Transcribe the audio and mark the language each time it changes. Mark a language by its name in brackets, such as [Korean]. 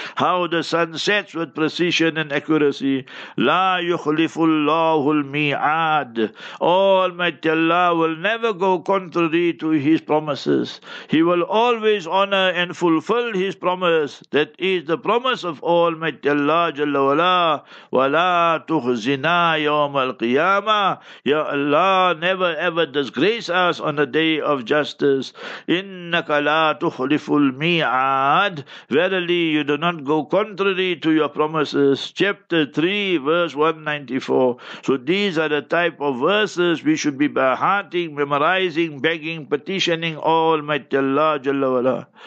[English] How the sun sets with precision and accuracy. [Arabic] La yukhlifu Allahul mi'ad. [English] Almighty Allah will never go contrary to His promises. He will always honor and fulfill His promise. That is the promise of Almighty Allah Jalla [Arabic] ولا ولا تخزنا يوم القيامة. [English] Ya Allah, never ever disgrace us on the day of justice. [Arabic] إِنَّكَ لَا تُخْلِفُ الْمِيعَادِ. [English] Verily, you do not go contrary to your promises. Chapter 3, verse 194. So these are the type of verses we should be beharting, memorizing, begging, petitioning Almighty Allah Jalla Wala.